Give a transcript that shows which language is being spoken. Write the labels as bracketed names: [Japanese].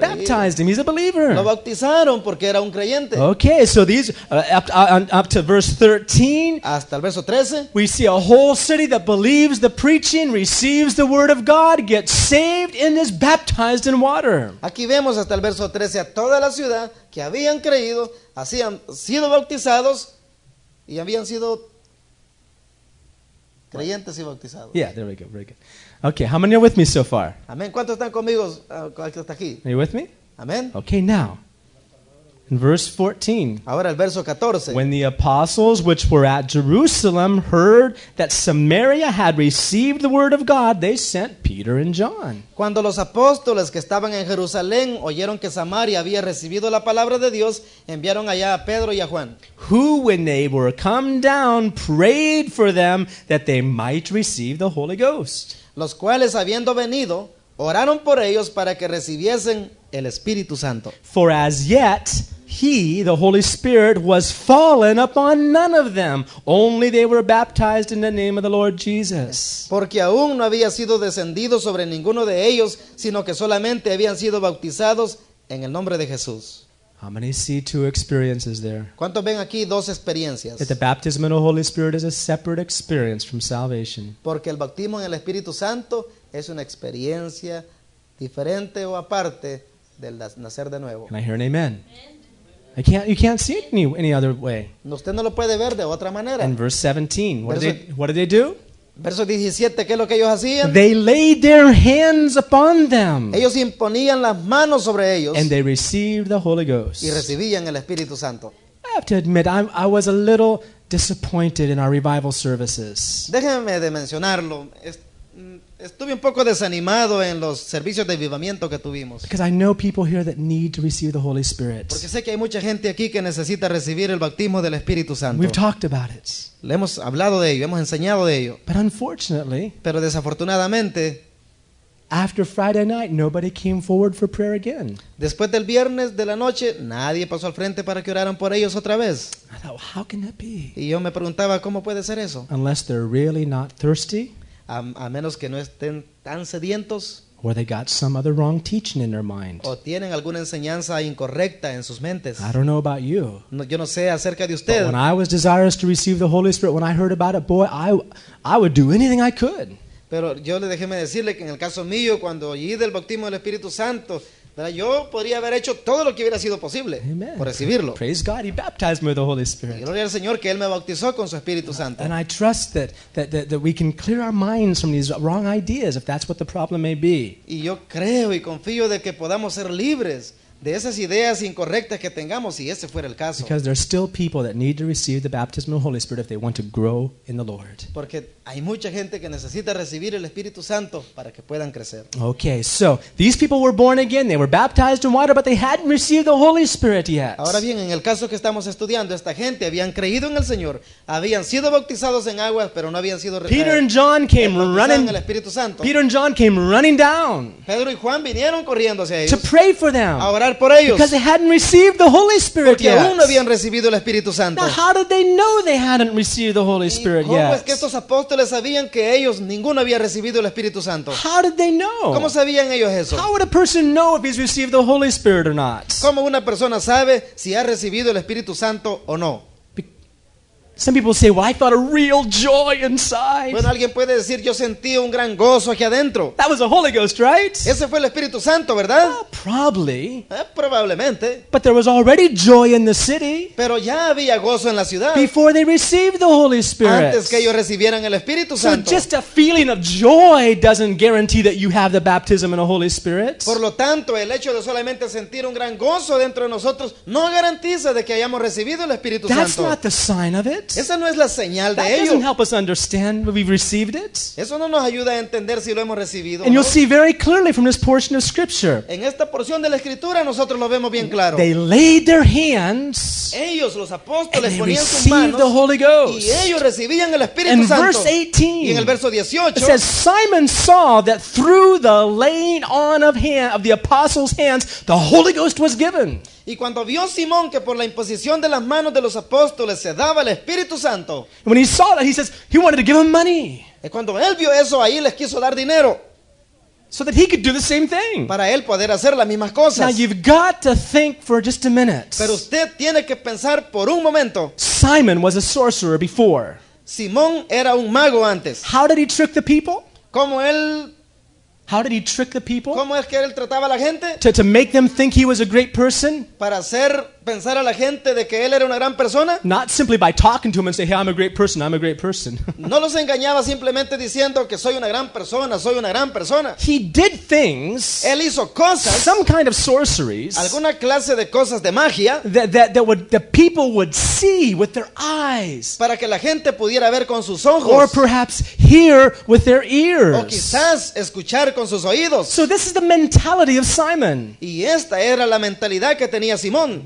[English] Baptized him. He's a believer. [Spanish] Lo bautizaron porque era un creyente. [English] Okay, so these up to verse 13. [Spanish] Hasta el verso 13. [English] We see a whole city that believes the preaching, receives the word of God, gets saved, and is baptized in water. [Spanish] Aquí vemos hasta el verso 13 a toda la ciudad que habían creído, habían sido bautizados y habían sido creyentes y bautizados. [English] Yeah, there we go, very good. Okay, how many are with me so far? Amen. [Spanish] ¿Cuántos están conmigo hasta aquí? [English] Are you with me? Amen. Okay, now. In verse 14. [Spanish] Ahora el verso 14. [English] When the apostles which were at Jerusalem heard that Samaria had received the word of God, they sent Peter and John. [Spanish] Cuando los apóstoles que estaban en Jerusalén oyeron que Samaria había recibido la palabra de Dios, enviaron allá a Pedro y a Juan. [English] Who, when they were come down, prayed for them that they might receive the Holy Ghost. [Spanish] Los cuales, habiendo venido, oraron por ellos para que recibiesen el Espíritu Santo. [English] For as yet, he, the Holy Spirit, was fallen upon none of them. Only they were baptized in the name of the Lord Jesus. [Spanish] Porque aún no había sido descendido sobre ninguno de ellos, sino que solamente habían sido bautizados en el nombre de Jesús. [English] How many see two experiences there? [Spanish] ¿Cuántos ven aquí dos experiencias? [English] That the baptism in the Holy Spirit is a separate experience from salvation. [Spanish] Porque el bautismo en el Espíritu Santo es una experiencia diferente o aparte del nacer de nuevo. [English] Can I hear an amen? I can't. You can't see it any other way. [Spanish] Usted no lo puede ver de otra manera. [English] In verse 17, what did they do? [Spanish] Verso 17, ¿qué es lo que ellos hacían? [English] They laid their hands upon them. [Spanish] Ellos imponían las manos sobre ellos. [English] And they received the Holy Ghost. [Spanish] Y recibían el Espíritu Santo. [English] I have to admit, I was a little disappointed in our revival services. [Spanish] Déjenme de mencionarlo. Estuve un poco desanimado en los servicios de avivamiento que tuvimos. [English] Because I know people here that need to receive the Holy Spirit. [Spanish] Porque sé que hay mucha gente aquí que necesita recibir el bautismo del Espíritu Santo. [English] We've talked about it. [Spanish] Le hemos hablado de ello, hemos enseñado de ello. [English] But unfortunately, [Spanish] pero desafortunadamente, [English] after Friday night, nobody came forward for prayer again. [Spanish] Después del viernes de la noche, nadie pasó al frente para que oraran por ellos otra vez. [English] I thought, well, how can that be? [Spanish] Y yo me preguntaba, ¿cómo puede ser eso? [English] Unless they're really not thirsty. [Spanish] A menos que no estén tan sedientos. [English] Or they got some other wrong teaching in their mind. [Spanish] O tienen alguna enseñanza incorrecta en sus mentes. [English] I don't know about you. [Spanish] No, yo no sé acerca de usted. [English] But when I was desirous to receive the Holy Spirit, when I heard about it, boy, I would do anything I could. [Spanish] Pero yo le déjeme decirle que en el caso mío, cuando oí del bautismo del Espíritu Santo, Yo podría haber hecho todo lo que hubiera sido posible por recibirlo. [English] Praise God, he baptized me with the Holy Spirit. [Spanish] Gloria al Señor que él me bautizó con su Espíritu Santo. [English] And I trust that we can clear our minds from these wrong ideas, if that's what the problem may be. [Spanish] Y yo creo y confío de que podamos ser libres de esas ideas incorrectas que tengamos si ese fuera el caso. [English] Because there are still people that need to receive the baptism of the Holy Spirit if they want to grow in the Lord. [Spanish] Porque hay mucha gente que necesita recibir el Espíritu Santo para que puedan crecer. [English] Okay, so these people were born again, they were baptized in water, but they hadn't received the Holy Spirit yet. [Spanish] Ahora bien, en el caso que estamos estudiando, esta gente habían creído en el Señor, habían sido bautizados en aguas, pero no habían sido recibidos. [English] Peter and John came running. [Spanish] El Espíritu Santo. [English] Peter and John came running down. [Spanish] Pedro y Juan vinieron corriendo hacia ellos. [English] To pray for them. [Spanish] Ahora por ellos. [English] Because they hadn't received the Holy Spirit [Spanish] porque [English] yet. [Spanish] Aún no habían recibido el Espíritu Santo. [English] Now, how did they know they hadn't received the Holy Spirit [Spanish] ¿cómo [English] yet? [Spanish] ¿Cómo es que estos apóstoles sabían que ellos ninguno había recibido el Espíritu Santo? [English] How did they know? [Spanish] ¿Cómo sabían ellos eso? [English] How would a person know if he's received the Holy Spirit or not? [Spanish] ¿Cómo una persona sabe si ha recibido el Espíritu Santo o no? [English] Some people say, "Well, I felt a real joy inside." [Spanish] Bueno, alguien puede decir, "Yo sentí un gran gozo aquí adentro." [English] That was the Holy Ghost, right? [Spanish] Ese fue el Espíritu Santo, ¿verdad? [English] Probably. [Spanish] Probablemente. [English] But there was already joy in the city. [Spanish] Pero ya había gozo en la ciudad. [English] Before they received the Holy Spirit. [Spanish] Antes que ellos recibieran el Espíritu Santo. [English] So just a feeling of joy doesn't guarantee that you have the baptism in the Holy Spirit. [Spanish] Por lo tanto, el hecho de solamente sentir un gran gozo dentro de nosotros no garantiza de que hayamos recibido el Espíritu Santo. [English] That's not the sign of it. [Spanish] Esa no es la señal de ello. [English] Doesn't help us understand when we've received it. [Spanish] Eso no nos ayuda a entender si lo hemos recibido. [English] And you'll see very clearly from this portion of scripture. [Spanish] En esta porción de la escritura nosotros lo vemos bien claro. [English] They laid their hands. [Spanish] Ellos, los apóstoles, [English] and they received the Holy Ghost. [Spanish] Y ellos recibían el Espíritu Santo. [English] In verse 18, [Spanish] y en el verso 18, [English] it says Simon saw that through the laying on of the apostles' hands, the Holy Ghost was given. [Spanish] Y cuando vio Simón que por la imposición de las manos de los apóstoles se daba el Espíritu Santo. [English] When he saw that, he says he wanted to give him money. [Spanish] Y cuando él vio eso, ahí les quiso dar dinero. [English] So that he could do the same thing. [Spanish] Para él poder hacer las mismas cosas. [English] Now you've got to think for just a minute. [Spanish] Pero usted tiene que pensar por un momento. [English] Simon was a sorcerer before. [Spanish] Simón era un mago antes. [English] How did he trick the people? [Spanish] ¿Cómo él? [English] How did he trick the people? [Spanish] ¿Cómo es que él trataba a la gente? [English] To make them think he was a great person? [Spanish] Para hacer pensar a la gente de que él era una gran persona? [English] Not simply by talking to him and say, "Hey, I'm a great person. I'm a great person." [Spanish] No los engañaba simplemente diciendo que soy una gran persona, soy una gran persona. [English] He did things. [Spanish] Él hizo cosas. [English] Some kind of sorceries. [Spanish] Alguna clase de cosas de magia. [English] That people would see with their eyes. [Spanish] Para que la gente pudiera ver con sus ojos. [English] Or perhaps hear with their ears. [Spanish] O quizás escuchar con sus oídos. [English] So this is the mentality of Simon. [Spanish] Y esta era la mentalidad que tenía Simón.